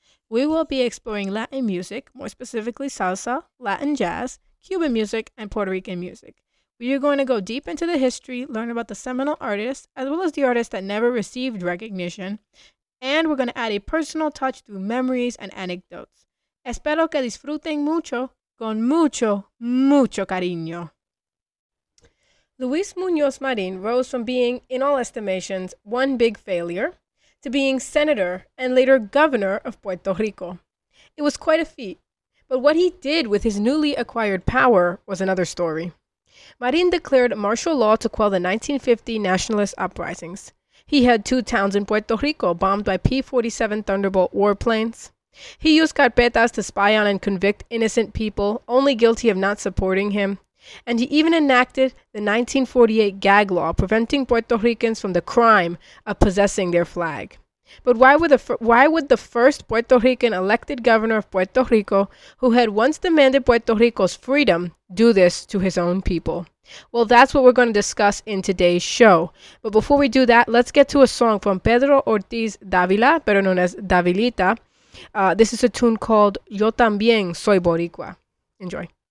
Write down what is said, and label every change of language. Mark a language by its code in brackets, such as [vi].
[en] We will be exploring Latin music, more specifically salsa, Latin jazz, Cuban music, and Puerto Rican music. We are going to go deep into the history, learn about the seminal artists, as well as the artists that never received recognition, and we're going to add a personal touch through memories and anecdotes. [es] Espero que disfruten mucho. Con mucho, mucho cariño. [en] Luis Muñoz Marin rose from being, in all estimations, one big failure, to being senator and later governor of Puerto Rico. It was quite a feat, but what he did with his newly acquired power was another story. Marin declared martial law to quell the 1950 nationalist uprisings. He had two towns in Puerto Rico bombed by P-47 Thunderbolt warplanes. He used carpetas to spy on and convict innocent people, only guilty of not supporting him. And he even enacted the 1948 gag law, preventing Puerto Ricans from the crime of possessing their flag. But why would the first Puerto Rican elected governor of Puerto Rico, who had once demanded Puerto Rico's freedom, do this to his own people? Well, that's what we're going to discuss in today's show. But before we do that, let's get to a song from Pedro Ortiz Dávila, better known as Davilita. This is a tune called Yo También Soy Boricua. Enjoy.